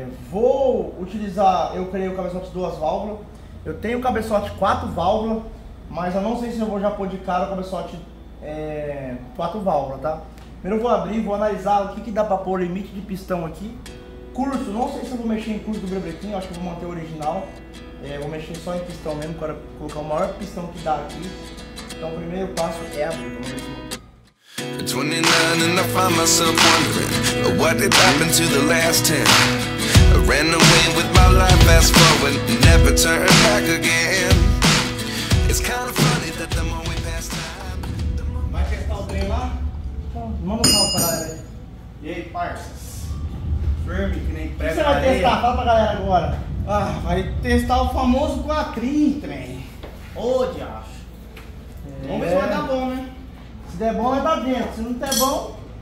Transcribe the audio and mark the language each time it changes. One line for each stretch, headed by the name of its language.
Portuguese: Vou utilizar, eu criei o cabeçote 2 válvulas. Eu tenho o cabeçote 4 válvulas, mas eu não sei se eu vou já pôr de cara o cabeçote 4 válvulas, tá? Primeiro eu vou abrir, vou analisar o que dá pra pôr limite de pistão aqui. Curto, não sei se eu vou mexer em curto do brebretinho, acho que eu vou manter o original. Vou mexer só em pistão mesmo, para colocar o maior pistão que dá aqui. Então o primeiro passo é abrir, vamos ver.
English: 29 and I find myself wondering what did happen to the last 10. I ran away with my life fast forward, never turn back again. It's kind of funny that the more we pass time.
Portuguese: Vai testar o trem lá? Então, vamos mostrar o caralho aí. E aí, parças? Firme, que nem pré. O que você vai testar? Fala pra galera agora. Ah, vai testar o famoso Quatrim, trem. Ô, diacho. Vamos ver se vai dar bom, né? Se der bom, vai dar dentro. Se não der bom...